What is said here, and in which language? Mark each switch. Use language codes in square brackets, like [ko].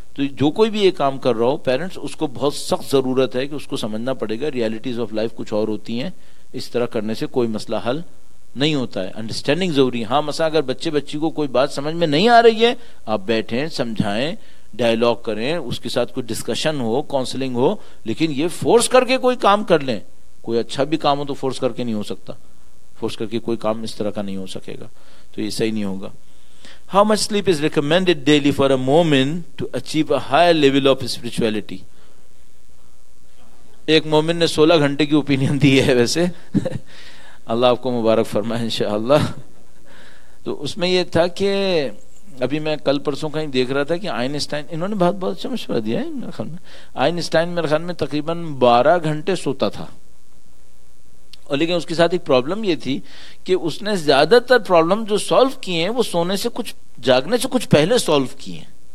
[hi] तो जो कोई भी ये काम कर रहा हो पेरेंट्स, उसको बहुत सख्त जरूरत है कि उसको समझना पड़ेगा रियलिटीज ऑफ लाइफ कुछ और होती हैं, इस तरह करने से कोई मसला हल नहीं होता है, अंडरस्टैंडिंग जरूरी है। हाँ मसा अगर बच्चे बच्ची को कोई बात समझ में नहीं आ रही है, आप बैठें समझाएं, डायलॉग करें, उसके साथ कोई डिस्कशन हो, काउंसलिंग हो, लेकिन ये फोर्स करके कोई काम कर लें, कोई अच्छा भी काम हो तो फोर्स करके नहीं हो सकता, फोर्स करके कोई काम इस तरह का नहीं हो सकेगा, तो ये सही नहीं होगा। [en] How much sleep is recommended daily for a mu'min to achieve a higher level of spirituality? [hi] एक मोमिन ने 16 घंटे की ओपिनियन दी है वैसे। अल्लाह आपको मुबारक फरमाए इंशाअल्लाह। तो उसमें ये था कि अभी मैं कल परसों कहीं देख रहा था कि आइंस्टाइन, इन्होंने बहुत बहुत अच्छा मशवरा दिया है मेरे ख्याल में, आइंस्टाइन मेरे ख्याल में तकरीबन 12 घंटे सोता था, लेकिन उसके साथ एक प्रॉब्लम ये थी कि उसने ज्यादातर प्रॉब्लम जो सॉल्व किए वो सोने से कुछ, जागने से कुछ पहले सॉल्व किए।